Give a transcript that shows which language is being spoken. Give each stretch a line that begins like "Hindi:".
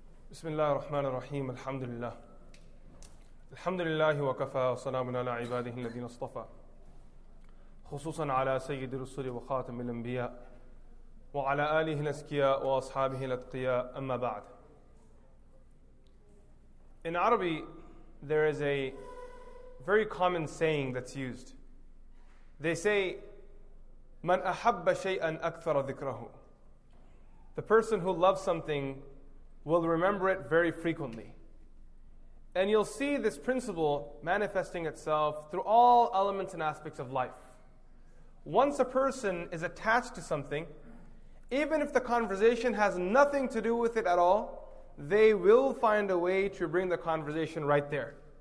Arabic: بسم الله الرحمن الرحيم الحمد لله الحمد لله وكفى وسلام على عباده الذين اصطفى خصوصا على سيد الرسل وخاتم الانبياء وعلى اله الازكياء واصحابه الاتقياء اما بعد.
English: In Arabic, there is a very common saying that's used. They say,
Arabic: من احب شيئا اكثر ذكره.
English: The person who loves something will remember it very frequently. And you'll see this principle manifesting itself through all elements and aspects of life. Once a person is attached to something, even if the conversation has nothing to do with it at all, they will find a way to bring the conversation right there.